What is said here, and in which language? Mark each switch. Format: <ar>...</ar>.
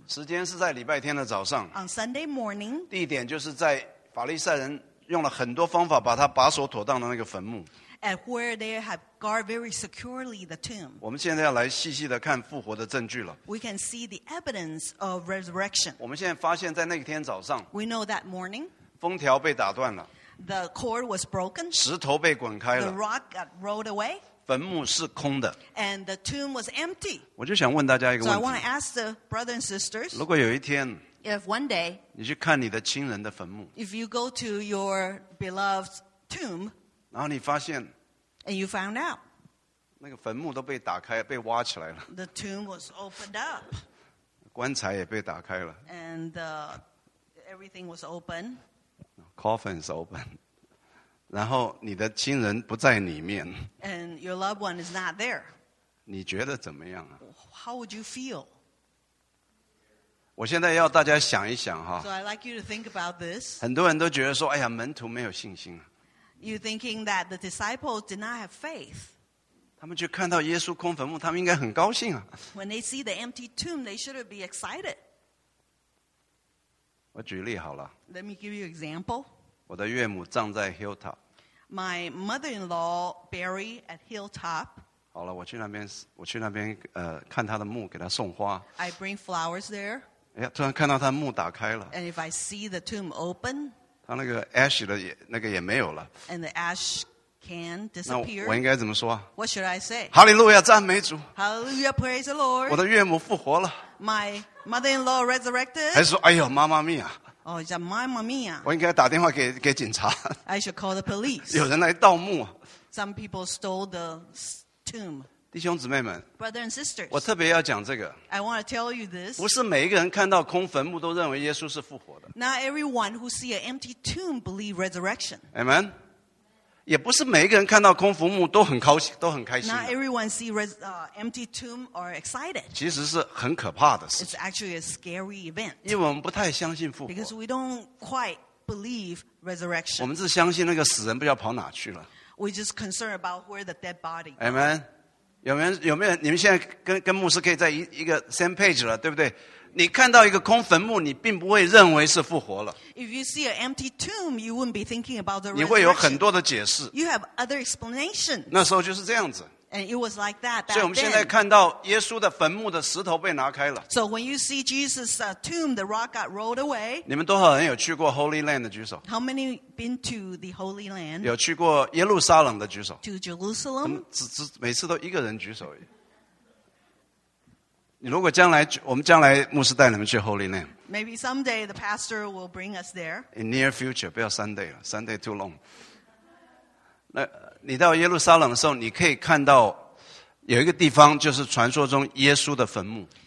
<zh>时间是在礼拜天的早上,</zh> <en>on Sunday morning.</en> <zh>地点就是在法利赛人用了很多方法把它把守妥当的那个坟墓,</zh> <en>at where they have guarded very securely the tomb.</en> <zh>我们现在要来细细地看复活的证据了,</zh> <en>we can see the evidence of resurrection.</en> <zh>我们现在发现在那天早上,</zh> <en>we know that morning,</en> <zh>封条被打断了,</zh> <en>the cord was broken,</en> <zh>石头被滚开了,</zh> <en>the rock got rolled away,</en> <zh>坟墓是空的,</zh> <en>and the tomb was empty.</en> <zh>我就想问大家一个问题,</zh> <en>so I want to ask the brothers and sisters,</en> <zh>如果有一天,</zh> <en>if one day,</en> <zh>你去看你的亲人的坟墓,</zh> <en>if you go to your beloved tomb,</en> <zh>然后你发现,</zh> <en>and you found out,</en> <zh>那个坟墓都被打开, 被挖起来了,</zh> <en>the tomb was opened up,</en> <zh>棺材也被打开了,</zh> <en>and everything was open, coffin is open,</en> <zh>然后你的亲人不在里面,</zh> <en>and your loved one is not there.</en> <zh>你觉得怎么样?</zh> <en>How would you feel?</en> <zh>我现在要大家想一想,</zh> <en>so I'd like you to think about this.</en> <zh>很多人都觉得说, 哎呀, 门徒没有信心,</zh> <en>you're thinking that the disciples did not have faith.</en> <zh>他们就看到耶稣空坟墓, 他们应该很高兴啊,</zh> <en>when they see the empty tomb, they should be excited.</en> <zh>我举例好了,</zh> <en>let me give you an example.</en> <zh>我的岳母葬在 Hilltop.</zh> <en>My mother-in-law buried at Hilltop.</en> <zh>好了,我去那边看她的墓,给她送花.</zh> <en>I bring flowers there.</en> <zh>哎呀,突然看到她墓打开了,</zh> <en>and if I see the tomb open,</en> <zh>她那个ash的也没有了,</zh> <en>and the ash can disappear.</en> <zh>那我应该怎么说?</zh> <en>What should I say?</en> <zh>Hallelujah, 赞美主!</zh> <en>Hallelujah, praise the Lord!</en> <zh>我的岳母复活了!</zh> <en>My mother-in-law resurrected.</en> <zh>还是说,哎呦,妈妈咪啊!</zh> <en>Oh, it's a mamma mia.</en> <zh>我应该打电话给警察。</zh> <en>I should call the police.</en> <zh>有人来盗墓。</zh> <en>Some people stole the tomb.</en> <zh>弟兄姊妹们,</zh> <en>brother and sisters,</en> <zh>我特别要讲这个,</zh> <en>I want to tell you this.</en> <zh>不是每一个人看到空坟墓都认为耶稣是复活的。</zh> <en>Not everyone who see an empty tomb believe resurrection. Amen.</en> <zh>也不是每一个人看到空坟墓都很开心。</zh> <en>Not everyone see empty tomb are excited.</en> <zh>其实是很可怕的事。</zh> <en>It's actually a scary event.</en> <zh>因为我们不太相信复活。</zh> <en>Because we don't quite believe resurrection.</en> <zh>我们只相信那个死人不知道跑哪去了。</zh> <en>We just concerned about where the dead body goes. Amen.</en> <zh>有没有你们现在跟牧师可以在一个</zh> <en>same page</en> <zh>了, 对不对? 你看到一个空坟墓,你并不会认为是复活了。</zh> <en>If you see an empty tomb, you wouldn't be thinking about the resurrection.</en> <zh>你会有很多的解释。</zh> <en>You have other explanations.</en> <zh>那时候就是这样子。</zh> <en>And it was like that back then.</en> <zh>所以我们现在看到耶稣的坟墓的石头被拿开了。</zh> <en>So when you see Jesus' tomb, the rock got rolled away.</en> <zh>你们多少人有去过 Holy Land的举手?</zh> <en>How many been to the Holy Land?</en> <zh>有去过耶路撒冷的举手?</zh> <en>To Jerusalem?</en> <zh>每次都一个人举手而已。如果将来我们将来牧师带你们去 Holy Land,</zh> <en>maybe someday the pastor will bring us there. In near future,</en> <zh>不要Sunday了,</zh> <en>Sunday too long.</en> <zh>那你到耶路撒冷的时候，你可以看到有一个地方就是传说中耶稣的坟墓。</zh>